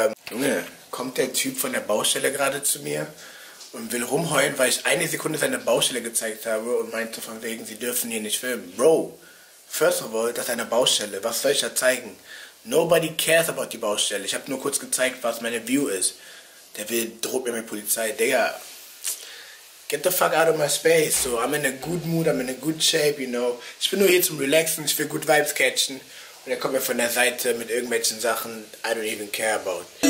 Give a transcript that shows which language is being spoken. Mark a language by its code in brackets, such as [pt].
[de] Junge, kommt der Typ von der Baustelle gerade zu mir und will rumheulen, weil ich eine Sekunde seine Baustelle gezeigt habe und meinte von wegen, sie dürfen hier nicht filmen. Bro, [en] first of all, [de] das ist eine Baustelle, was soll ich da zeigen? [en] Nobody cares about [de] die Baustelle. Ich habe nur kurz gezeigt, was meine View ist. Der will, droht mir mit Polizei. [en] Digga, get the fuck out of my space. So, I'm in a good mood, I'm in a good shape, you know. [de] Ich bin nur hier zum Relaxen, ich will [en] good vibes catchen. [de] Und er kommt mir von der Seite mit irgendwelchen Sachen, [en] I don't even care about.